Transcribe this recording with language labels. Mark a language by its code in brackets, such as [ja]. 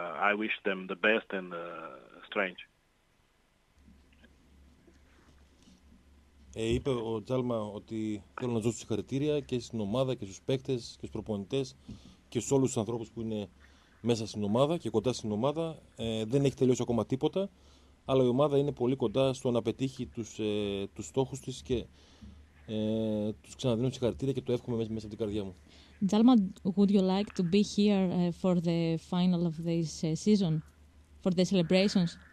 [en] I wish them the best and strange. [el] Είπε ο Τζάλμα ότι θέλω να ζω στους συγχαρητήρια και στην ομάδα και στους παίκτες και στους προπονητές και στους όλους τους ανθρώπους που είναι μέσα στην ομάδα και κοντά στην ομάδα. Δεν έχει τελειώσει ακόμα τίποτα, αλλά η ομάδα είναι πολύ κοντά στο να πετύχει τους στόχους της και τους ξαναδίνω συγχαρητήρια και το εύχομαι μέσα από την καρδιά μου. [en] Τζάλμα, would you like to be here for the final of this season, for the celebrations?